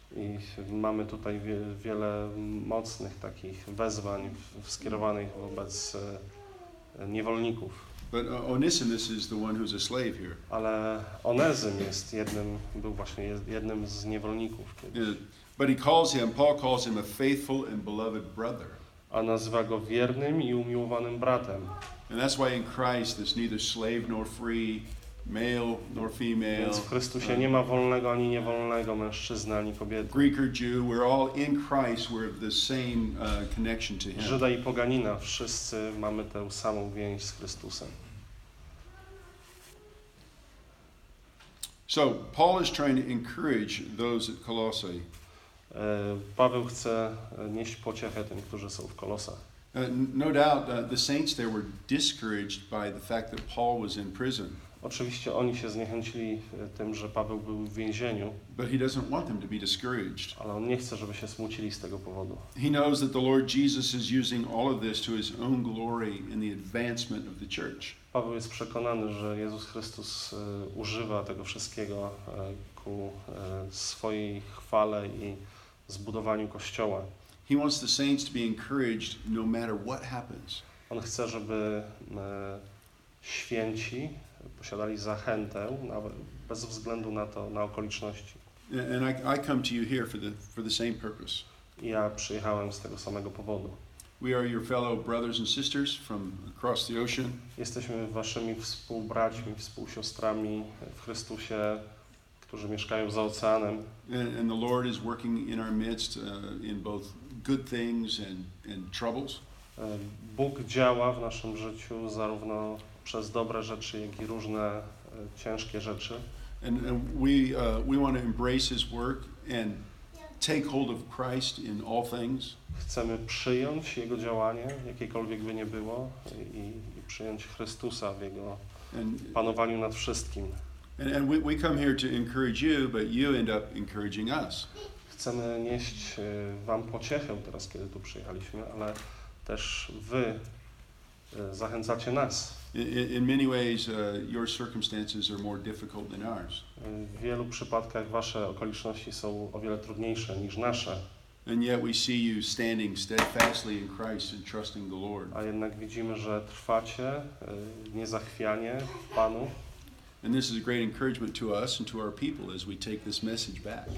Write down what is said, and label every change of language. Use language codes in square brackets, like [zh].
[pl] I mamy tutaj wiele mocnych takich wezwań skierowanych wobec niewolników. [en] But Onesimus is the one who's a slave here. [pl] Ale Onezym jest jednym z niewolników. [en] But he calls him, Paul calls him a faithful and beloved brother. [pl] A nazywa go wiernym i umiłowanym bratem. [en] And that's why in Christ there's neither slave nor free, male nor female. [pl] Więc w Chrystusie nie ma wolnego ani niewolnego, mężczyzny ani kobiety. [en] Greek or Jew, we're all in Christ, we're the same connection to Him. [pl] Żyda i poganina, wszyscy mamy tę samą więź z Chrystusem. [en] So Paul is trying to encourage those at Colossae. [pl] Paweł chce nieść pociechę tym, którzy są w Kolosach. [en] No doubt the saints there were discouraged by the fact that Paul was in prison. [pl] Oczywiście oni się zniechęcili tym, że Paweł był w więzieniu. [en] But he doesn't want them to be discouraged. [pl] Ale on nie chce, żeby się smucili z tego powodu. [en] He knows that the Lord Jesus is using all of this to his own glory in the advancement of the church. [pl] Paweł jest przekonany, że Jezus Chrystus używa tego wszystkiego ku swojej chwale i zbudowaniu Kościoła. [en] He wants the saints to be encouraged no matter what happens. [pl] On chce, żeby święci posiadali zachętę nawet bez względu na to, na okoliczności. [en] And I come to you here for the same purpose. [pl] Ja przyjechałem z tego samego powodu. [en] We are your fellow brothers and sisters from across the ocean. [pl] Jesteśmy waszymi współbraćmi, współsiostrami w Chrystusie, którzy mieszkają za oceanem. [en] And the Lord is working in our midst in both good things and troubles. [pl] Bóg działa w naszym życiu zarówno przez dobre rzeczy, jak i różne ciężkie rzeczy. [en] And we want to embrace his work and take hold of Christ in all things. [pl] Chcemy przyjąć jego działanie, jakiekolwiek by nie było, i przyjąć Chrystusa w jego panowaniu nad wszystkim. [en] And we come here to encourage you, but you end up encouraging us. [pl] Chcemy nieść wam pociechę teraz, kiedy tu przyjechaliśmy, ale też wy zachęcacie nas. [en] In many ways, your circumstances are more difficult than ours. [pl] W wielu przypadkach wasze okoliczności są o wiele trudniejsze niż nasze. [en] And yet we see you standing steadfastly in Christ and trusting the Lord. [pl] A jednak widzimy, że trwacie niezachwianie w Panu. [en] And this is a great encouragement to us and to our people as we take this message back.